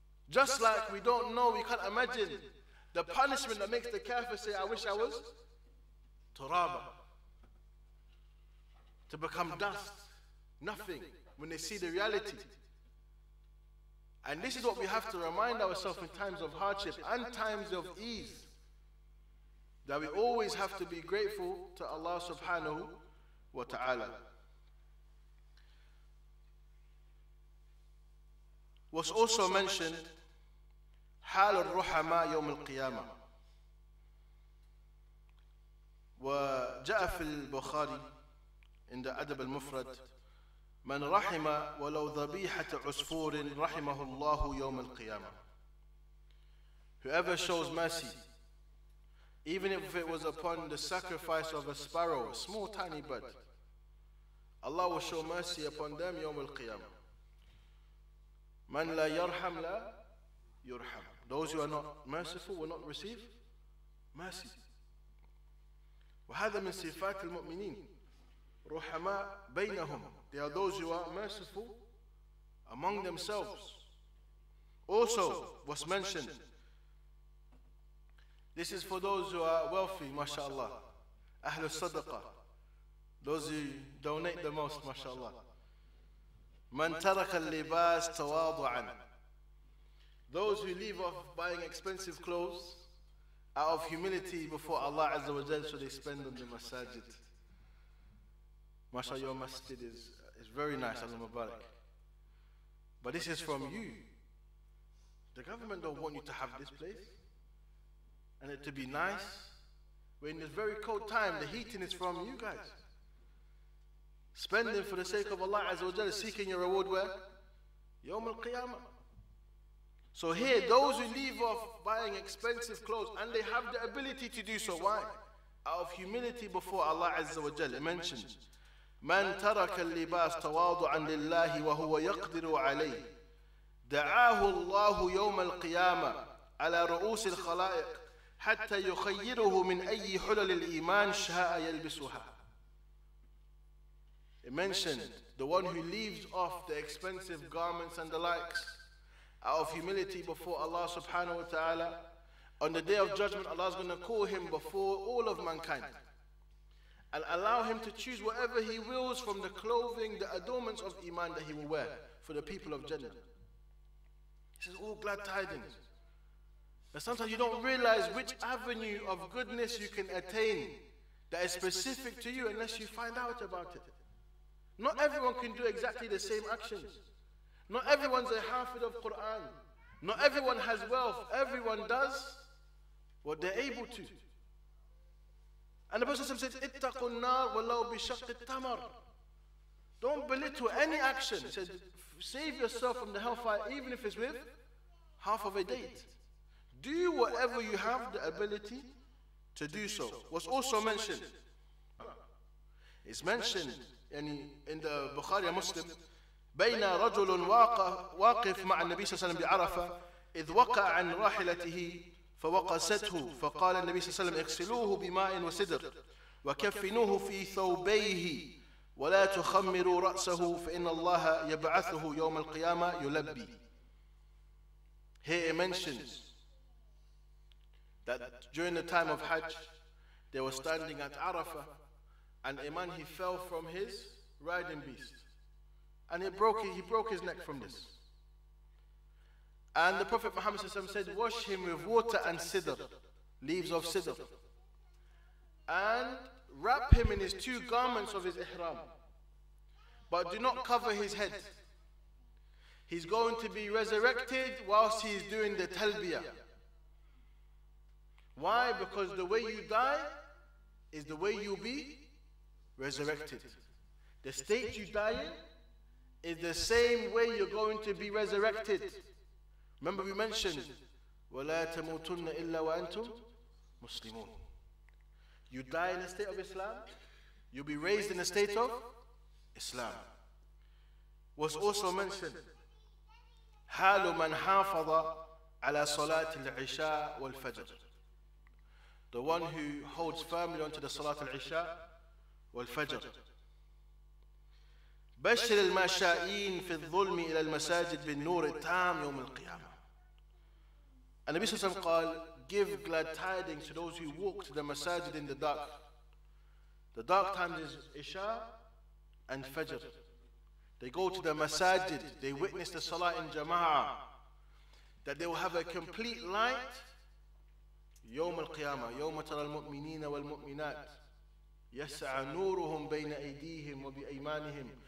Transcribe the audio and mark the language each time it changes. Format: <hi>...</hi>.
<en>Just like we don't know, we can't imagine the punishment that makes the kafir say, I wish I was turaba, to become dust, nothing, when they see the reality. And this is what we have to remind ourselves in times of hardship and times of ease, that we always have to be grateful to Allah subhanahu wa ta'ala. What's also mentioned,</en> <ar>حال الرحماء يوم القيامة. وجاء في البخاري</ar> <en>in the Adab al-Mufrad,</en> <ar>من رحم ولو ذبيحة عصفور رحمه الله يوم القيامة.</ar> <en>Whoever shows mercy, even if it was upon the sacrifice of a sparrow, a small tiny bird, Allah will show mercy upon them</en> <ar>يوم القيامة. من لا يرحم لا يرحم.</ar> <en>Those who are not merciful will not receive mercy.</en> <ar>وهذا من صفات المؤمنين رحماء بينهم.</ar> <en>They are those who are merciful among themselves. Also, what's mentioned, this is for those who are wealthy, mashallah, Ahlul Sadaqah, those who donate the most, mashallah.</en> <ar>Man taraka al-libas tawadu'an.</ar> <en>Those who leave off buying expensive clothes out of humility before Allah Azza wa Jalla, so they spend on the masajid. Mashallah, your masjid is very nice, Allah Mubarak. But this is from you. The government don't want you to have this place and it to be nice. We're in this very cold time, the heating is from you guys. Spending for the sake of Allah Azza wa Jalla, seeking your reward where?</en> <ar>Yawm al-Qiyamah.</ar> <en>So here, those who leave off buying expensive clothes, and they have the ability to do so, why? Out of humility before Allah Azza wa Jalla, it mentions,</en> <ar>مَنْ تَرَكَ اللِّبَاسَ تَوَاضُعًا لِلَّهِ وَهُوَ يَقْدِرُ عَلَيْهِ دَعَاهُ اللَّهُ يَوْمَ الْقِيَامَةِ عَلَى رُؤُوسِ الْخَلَائِقِ حَتَّى يُخَيِّرُهُ مِنْ أَيِّ حُلَلِ الْإِيمَانِ شَاءَ يَلْبِسُهَا.</ar> <en>It mentioned, the one who leaves off the expensive garments and the likes out of humility before Allah subhanahu wa ta'ala, on the day of judgment, Allah is going to call him before all of mankind and allow him to choose whatever he wills from the clothing, the adornments of iman that he will wear for the people of Jannah. This is all glad tidings. But sometimes you don't realize which avenue of goodness you can attain that is specific to you unless you find out about it. Not everyone can do exactly the same actions. Not everyone's a hafid of Quran. Not everyone has wealth. Everyone does what they're able to. And the Prophet says,</en> <ar>اِتَّقُ النَّارِ وَلَوْ بِشَقِّ التَّمَرِ.</ar> <en>Don't belittle any action. He said, save yourself from the hellfire even if it's with half of a date. Do whatever you have the ability to do so. What's also mentioned? It's mentioned in the Bukhari Muslim,</en> <ar>بين رجل واقف مع النبي صلى الله عليه وسلم بعرفة إذ وقع عن راحلته فوقسته فقال النبي صلى الله عليه وسلم اغسلوه بماء وسدر وكفنوه في ثوبيه ولا تخمروا رأسه فإن الله يبعثه يوم القيامة يلبي.</ar> <en>Here it mentions that during the time of Hajj, they were standing at Arafah, and a man, he fell from his riding beast. And he broke his neck from this. And the Prophet Muhammad said, wash him with water and sidr, leaves of sidr. And wrap him in his two garments of his ihram. But do not cover his head. He's going to be resurrected whilst he's doing the talbiyah. Why? Because the way you die is the way you'll be resurrected. The state you die in is the same way you're going to be resurrected. Remember we mentioned,</en> <ar>وَلَا تَمُوتُنَّ إِلَّا وَأَنْتُمْ مُسْلِمُونَ.</ar> <en>You die in the state of Islam, you'll be raised in the state of Islam. What's also mentioned,</en> <ar>حَالُ مَنْ حَافَظَ عَلَى صَلَاةِ الْعِشَاء وَالْفَجْرِ.</ar> <en>The one who holds firmly onto the Salat al-Isha wal-Fajr.</en> <ar>بشر المشائين في الظلم إلى المساجد بالنور التام يوم القيامة.</ar> <en>And Nabi Sallallahu Alaihi Wasallam said, give glad tidings to those who walk to the masajid in the dark. The dark times is Isha and Fajr. They go to the masajid, they witness the Salah in Jama'ah, that they will have a complete light</en> <ar>يوم القيامة يوم ترى المؤمنين والمؤمنات يسعى نورهم بين أيديهم وبأيمانهم.</ar>